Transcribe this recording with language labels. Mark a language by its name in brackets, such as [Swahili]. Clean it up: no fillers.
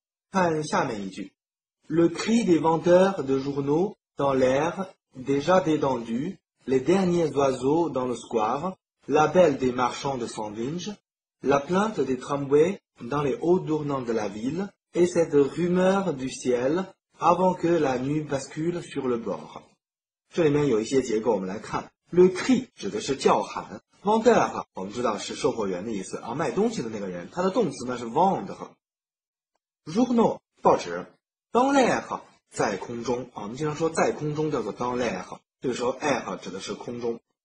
[Chinese] 看下面一句 [French] Le cri des vendeurs de journaux dans l'air déjà détendu, les derniers oiseaux dans le square, l'appel des marchands de sandwiches, la plainte des tramways dans les hauts tournants de la ville et cette rumeur du ciel avant que la nuit bascule sur le bord. [Chinese] 这里面有一些结构，我们来看。 [French] Le cri [Chinese] 指的是叫喊 ，vendeur 我们知道是售货员的意思，而卖东西的那个人，他的动词呢是 vendre。 Journaux 报纸 ， [French] dans l'air [Chinese] 在空中啊，我们经常说在空中叫做 dans l'air， 这个时候 air 指的是空中。